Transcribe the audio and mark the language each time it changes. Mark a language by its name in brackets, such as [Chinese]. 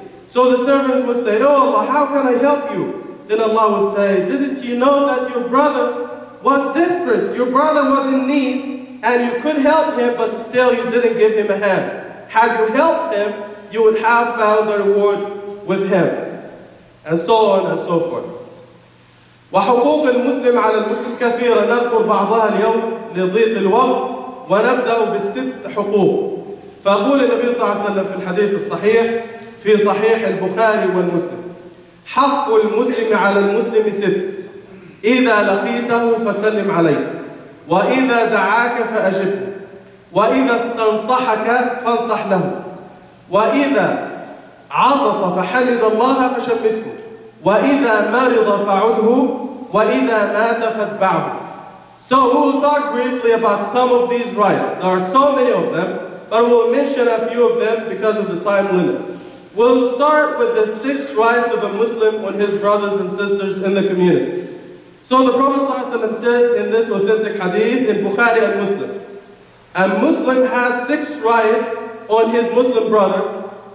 [English] So the servant would say, "Oh Allah, how can I help you?" Then Allah would say, "Didn't you know that your brother was desperate, your brother was in need, and you could help him, but still you didn't give him a hand? Had you helped him, you would have found the reward with him." And so on and so forth. [Arabic] وحقوق المسلم على المسلم كثيرة نذكر بعضها اليوم لضيق الوقت ونبدأ بالست حقوق. فأقول النبي صلى الله عليه وسلم في الحديث الصحيح في صحيح البخاري والمسلم: حق المسلم على المسلم ست: إذا لقيته فسلم عليه، وإذا دعاك فأجبه، وإذا استنصحك فانصح له، وإذا عطس فحمد الله فشمته، وإذا مرض فعده، وإذا مات فاتبعه. [English] So we will talk briefly about some of these rights. There are so many of them, but we'll mention a few of them because of the time limit. We'll start with the six rights of a Muslim on his brothers and sisters in the community. So the Prophet ﷺ says in this authentic hadith in Bukhari and Muslim, a Muslim has six rights on his Muslim brother.